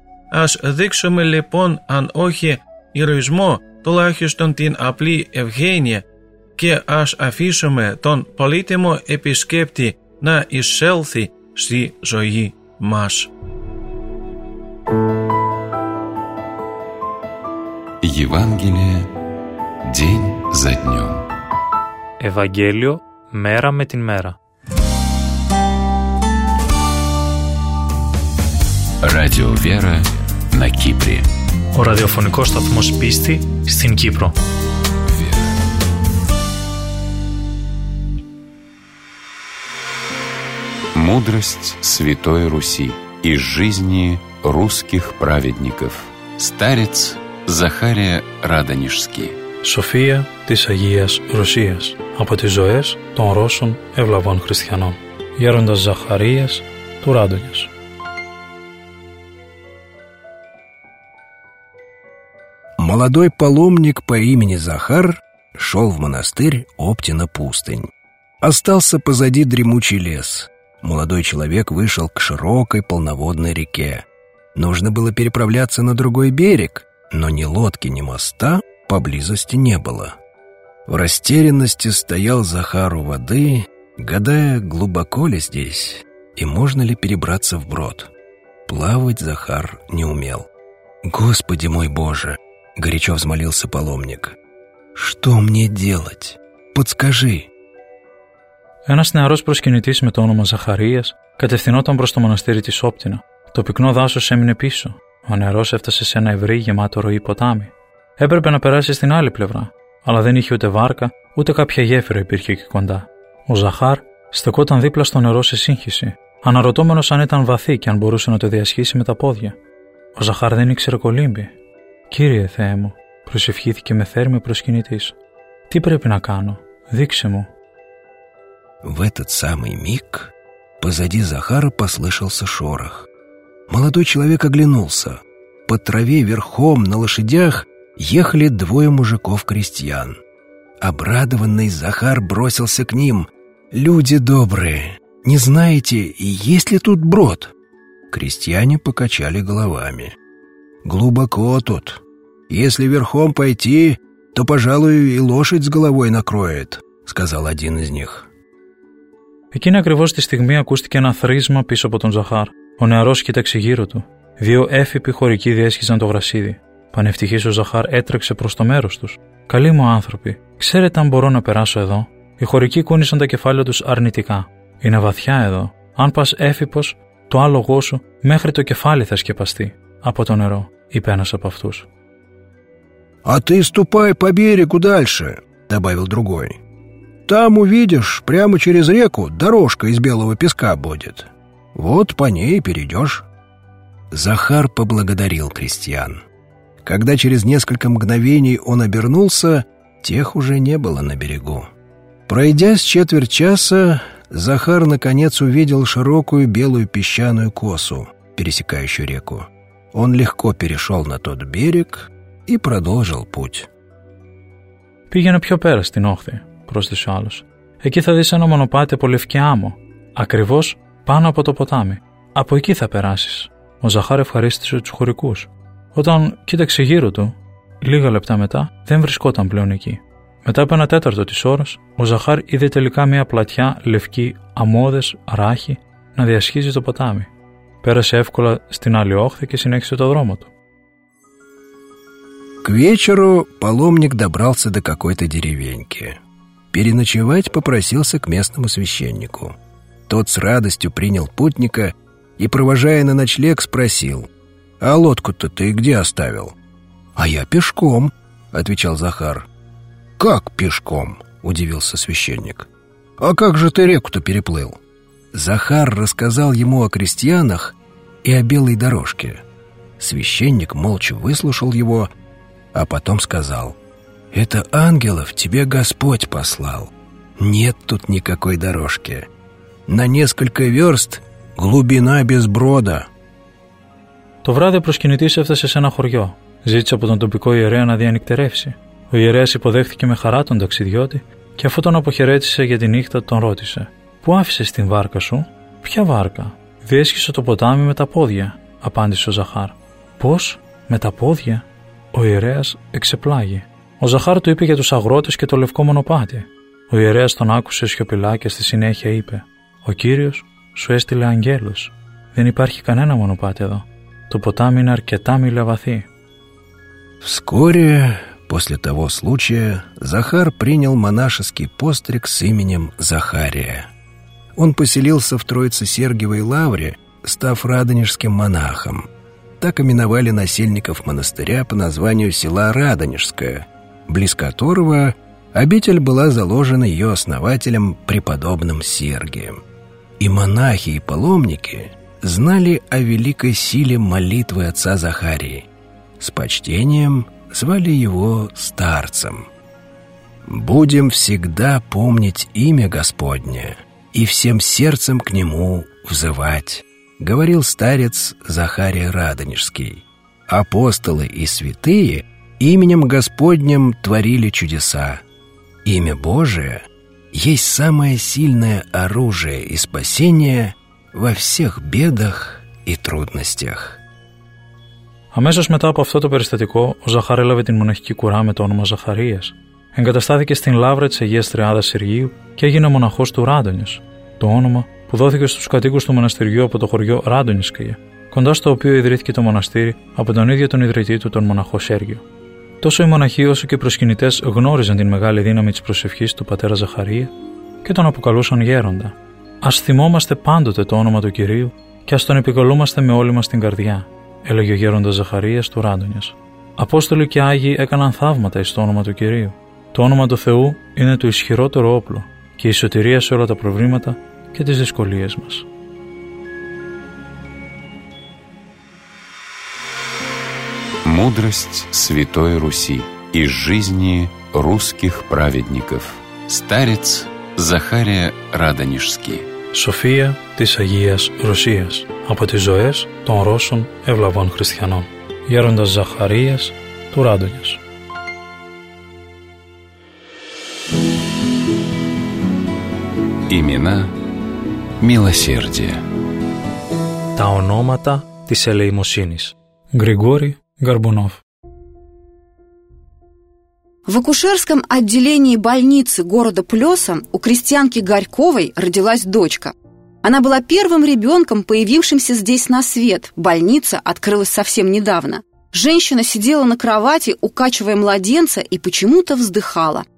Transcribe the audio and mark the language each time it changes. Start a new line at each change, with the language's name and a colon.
Greek: Ας δείξουμε λοιπόν, αν όχι ηρωισμό, τουλάχιστον την απλή ευγένεια, και ας αφήσουμε τον πολύτιμο επισκέπτη να εισέλθει στη ζωή μας.
Russian: Евангелие день за днем.
Greek: Ευαγγέλιο μέρα με την μέρα.
Russian: Radio Vera на Кипре.
Greek: Ο ραδιοφωνικός σταθμός πίστη στην Κύπρο.
Russian: Мудрость Святой Руси из жизни русских праведников. Старец Захария Радонежский.
Greek: София της Агίας Ρωσίας. Από τις ζωές των Ρώσων ευλαβών χριστιανών. Γέροντας Ζαχαρίας του Ράδωνιος.
Russian: Молодой паломник по имени Захар шел в монастырь Оптина пустынь. Остался позади дремучий лес. Молодой человек вышел к широкой полноводной реке. Нужно было переправляться на другой берег, но ни лодки, ни моста поблизости не было. В растерянности стоял Захар у воды, гадая, глубоко ли здесь и можно ли перебраться вброд. Плавать Захар не умел. «Господи мой Боже!» — горячо взмолился паломник. «Что мне делать? Подскажи!»
Greek: Ένας νεαρός προσκυνητής με το όνομα Ζαχαρίας κατευθυνόταν προς το μοναστήρι της Όπτινα. Το πυκνό δάσος έμεινε πίσω. Ο νεαρός έφτασε σε ένα ευρύ γεμάτο ροή ποτάμι. Έπρεπε να περάσει στην άλλη πλευρά, αλλά δεν είχε ούτε βάρκα, ούτε κάποια γέφυρα υπήρχε εκεί κοντά. Ο Ζαχάρ στεκόταν δίπλα στο νερό σε σύγχυση, αναρωτώμενος αν ήταν βαθύ και αν μπορούσε να το διασχίσει με τα πόδια. Ο Ζαχάρ δεν ήξερε κολύμπη. «Κύριε Θεέ μου», προσευχήθηκε με θέρμη ο προσκυνητής. «Τι πρέπει να κάνω, δείξε μου».
Russian: В этот самый миг позади Захара послышался шорох. Молодой человек оглянулся. По траве верхом на лошадях ехали двое мужиков-крестьян. Обрадованный Захар бросился к ним. «Люди добрые, не знаете, есть ли тут брод?» Крестьяне покачали головами. «Глубоко тут. Если верхом пойти, то, пожалуй, и лошадь с головой накроет», — сказал один из них.
Greek: Εκείνη ακριβώς τη στιγμή ακούστηκε ένα θρίσμα πίσω από τον Ζαχάρ. Ο νεαρός κοίταξε γύρω του. Δύο έφυποι χωρικοί διέσχιζαν το γρασίδι. Πανευτυχής ο Ζαχάρ έτρεξε προς το μέρος τους. «Καλοί μου άνθρωποι, ξέρετε αν μπορώ να περάσω εδώ?» Οι χωρικοί κούνησαν τα κεφάλια τους αρνητικά. «Είναι βαθιά εδώ. Αν πας έφυπος, το άλογό σου μέχρι το κεφάλι θα σκεπαστεί από το νερό», είπε ένας από αυτούς.
Russian: «А ты ступай по берегу дальше», добавил другой. «Там увидишь, прямо через реку, дорожка из белого песка будет. Вот по ней перейдешь». Захар поблагодарил крестьян. Когда через несколько мгновений он обернулся, тех уже не было на берегу. Пройдя с четверть часа, Захар наконец увидел широкую белую песчаную косу, пересекающую реку. Он легко перешел на тот берег и продолжил путь.
Greek: «Пигена пьё пэра стин охты», πρόσθεσε ο άλλος. «Εκεί θα δεις ένα μονοπάτι από λευκή άμμο, ακριβώς πάνω από το ποτάμι. Από εκεί θα περάσεις». Ο Ζαχάρ ευχαρίστησε τους χωρικούς. Όταν κοίταξε γύρω του, λίγα λεπτά μετά, δεν βρισκόταν πλέον εκεί. Μετά από ένα τέταρτο της ώρας, ο Ζαχάρ είδε τελικά μια πλατιά λευκή αμμώδες ράχη να διασχίζει το ποτάμι. Πέρασε εύκολα στην άλλη όχθη και συνέχισε το δρόμο του.
Russian: К вечеру паломник добрался до какой-то деревеньки. Переночевать попросился к местному священнику. Тот с радостью принял путника и, провожая на ночлег, спросил: «А лодку-то ты где оставил?» «А я пешком», — отвечал Захар. «Как пешком?» — удивился священник. «А как же ты реку-то переплыл?» Захар рассказал ему о крестьянах и о белой дорожке. Священник молча выслушал его, а потом сказал: «Это ангелов тебе Господь послал. Нет тут никакой дорожки. На несколько верст глубина без брода».
Greek: Το βράδυ ο προσκυνητής έφτασε σε ένα χωριό. Ζήτησε από τον τοπικό ιερέα να διανυκτερεύσει. Ο ιερέας υποδέχθηκε με χαρά τον ταξιδιώτη και αφού τον αποχαιρέτησε για τη νύχτα, τον ρώτησε: «Πού άφησες την βάρκα σου?» «Ποια βάρκα?» «Διέσχισε το ποτάμι με τα πόδια», απάντησε ο Ζαχάρ. «Πώς, με τα πόδια?» Ο ιερέας εξεπλάγει. Ο Ζαχάρ του είπε για τους αγρότες και το λευκό μονοπάτι. Ο ιερέας τον άκουσε σιωπηλά και στη συνέχεια είπε: «Ο Κύριος σου έστειλε αγγέλους. Δεν υπάρχει κανένα μονοπάτι εδώ. Το ποτάμι είναι αρκετά μίλια βαθύ».
Russian: Вскоре после того случая Захар принял монашеский постриг с именем Захария. Он поселился в Троице-Сергиевой лавре, став радонежским монахом. Так именовали насельников монастыря по названию села Радонежское, близ которого обитель была заложена ее основателем преподобным Сергием. И монахи, и паломники знали о великой силе молитвы отца Захарии. С почтением звали его старцем. «Будем всегда помнить имя Господне и всем сердцем к Нему взывать», — говорил старец Захарий Радонежский. «Апостолы и святые именем Господним творили чудеса. Имя Божие есть самое сильное оружие и спасение во всех бедах и трудностях.
Greek: Αμέσως μετά από αυτό το περιστατικό, ο Ζαχάρ έλαβε την μοναχική κουρά με το όνομα Ζαχαρίας. Εγκαταστάθηκε στην Λαύρα της Αγίας Τριάδας Συργίου και έγινε μοναχός του Ράντονιος, το όνομα που δόθηκε στους κατοίκους του μοναστηριού από το χωριό Ράντονισκαγε, κοντά στο οποίο ιδρύθηκε το μοναστήρι από τον ίδιο τον ιδρυτή του, τον μοναχό Σέργιο. Τόσο οι μοναχοί όσο και οι προσκυνητές γνώριζαν την μεγάλη δύναμη της προσευχής του πατέρα Ζαχαρία και τον αποκαλούσαν γέροντα. Ας θυμόμαστε πάντοτε το όνομα του Κυρίου και ας τον επικολούμαστε με όλη μας την καρδιά, έλεγε ο γέροντας Ζαχαρίας του Ράντονιας. Απόστολοι και Άγιοι έκαναν θαύματα εις το όνομα του Κυρίου. Το όνομα του Θεού είναι το ισχυρότερο όπλο και η σωτηρία σε όλα τα προβλήματα και τις δυσκολίες μας.
Russian: Мудрость Святой Руси из жизни русских праведников. Старец Захария Радонежский.
Greek: София της Агίας Ρωσίας. Από τις ζωές των Ρώσων ευλαβών χριστιανών. Γέροντας Ζαχαρίας του Ράντονιος.
Russian: Имена милосердия.
Greek: Τα ονόματα της ελεημοσύνης.
Russian: Григорий Горбунов. В акушерском отделении больницы города Плёса у крестьянки Горьковой родилась дочка. Она была первым ребенком, появившимся здесь на свет. Больница открылась совсем недавно. Женщина сидела на кровати, укачивая младенца, и почему-то вздыхала.